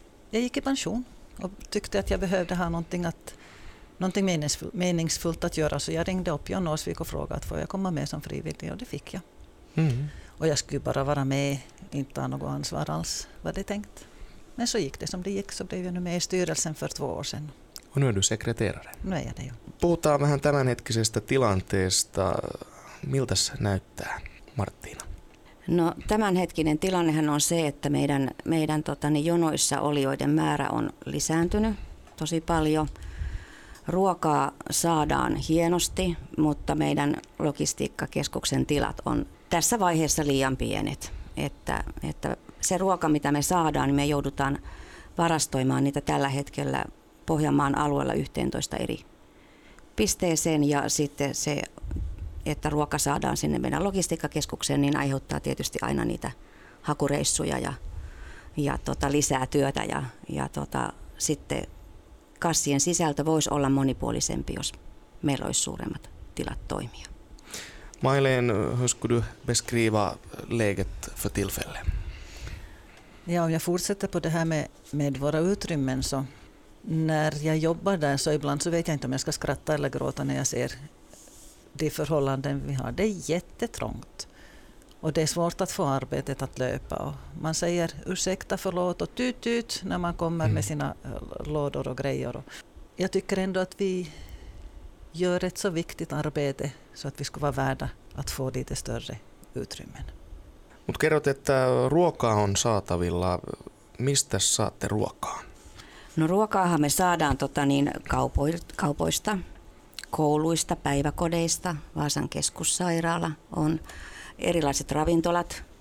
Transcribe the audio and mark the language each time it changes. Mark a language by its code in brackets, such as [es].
[sv] Jag gick i pension och tyckte att jag behövde ha någonting meningsfullt att göra. Så jag ringde upp John Åsvik och frågade att får jag komma med som frivillig, och det fick jag. Och jag skulle bara vara med, inte ha något ansvar alls, var det tänkt. Men så gick det som det gick, så blev jag nu med i styrelsen för 2 år sedan. Och nu är du sekreterare. Nu är jag det, jo. [fi] Puhutaan vähän tämänhetkisestä tilanteesta. Miltäs näyttää, Martina? No tämänhetkinen tilannehan on se, että meidän jonoissa olijoiden määrä on lisääntynyt tosi paljon. Ruokaa saadaan hienosti, mutta meidän logistiikkakeskuksen tilat on tässä vaiheessa liian pienet. Että se ruoka, mitä me saadaan, niin me joudutaan varastoimaan niitä tällä hetkellä Pohjanmaan alueella 11 eri pisteeseen. Ja sitten se, että ruoka saadaan sinne meidän logistiikkakeskukseen, niin aiheuttaa tietysti aina niitä hakureissuja ja lisää työtä. Ja sitten kassien sisältö voisi olla monipuolisempi, jos meillä olisi suuremmat tilat toimia. [sv] Maileen, hösku du beskriva läget för tillfället? Ja, om jag fortsätter på det här med våra utrymmen, så när jag jobbar där så ibland så vet jag inte om jag ska skratta eller gråta när jag ser de förhållanden vi har. Det är jättetrångt och det är svårt att få arbetet att löpa. Och man säger ursäkta, förlåt och tut när man kommer med sina lådor och grejer. Och jag tycker ändå att vi gör ett så viktigt arbete så att vi ska vara värda att få lite större utrymmen. [fi] Mut kerrot, että ruokaa on saatavilla. Mistä saatte ruokaa? No ruokaahan me saadaan kaupoista, kouluista, päiväkodeista. Vaasan keskussairaala on erilaiset ravintolat.